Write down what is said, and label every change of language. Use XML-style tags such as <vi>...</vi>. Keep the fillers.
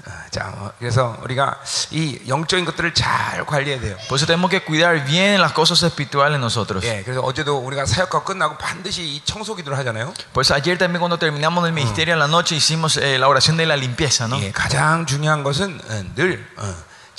<ko>자, 그래서 우리가 이 영적인 것들을 잘 관리해야 돼요.</ko> <es>Pues tenemos que cuidar bien las cosas espirituales nosotros.</es> <ko>예, 그래서 어제도 우리가 사역과 끝나고 반드시 이 청소 기도를 하잖아요.</ko> <es>Pues ayer también cuando terminamos el ministerio 음. en la noche hicimos eh, la oración de la limpieza, ¿no?</es> <ko>예, 가장 중요한 것은 음, 늘 음.</ko>